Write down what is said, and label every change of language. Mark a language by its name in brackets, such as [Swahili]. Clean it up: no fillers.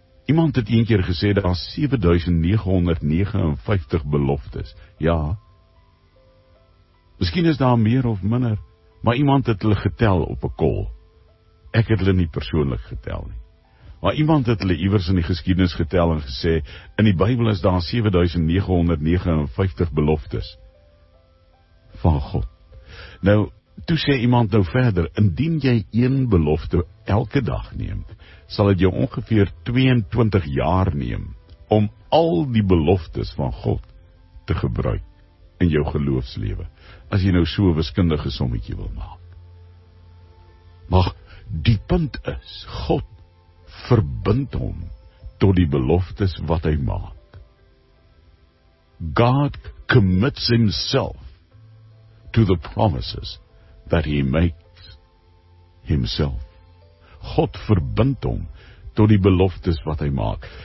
[Afrikaans] Iemand het een keer gesê, daar is 7959 beloftes. Ja, miskien is daar meer of minder, maar iemand het hulle getel op 'n kol. Ek het hulle nie persoonlik getel nie. Maar iemand het hulle iewers in die geskiedenis getel en gesê, in die Bybel is daar 7959 beloftes van God. Nou, toe sê iemand nou verder, indien jy een belofte elke dag neemt, sal het jou ongeveer 22 jaar neem om al die beloftes van God te gebruik in jou geloofslewe, as jy nou so 'n wiskundige sommetjie wil maak. Maar die punt is, God verbind hom tot die beloftes wat hy maak. [English] God commits himself to the promises that he makes himself. [Afrikaans] God verbind hom tot die beloftes wat hy maak.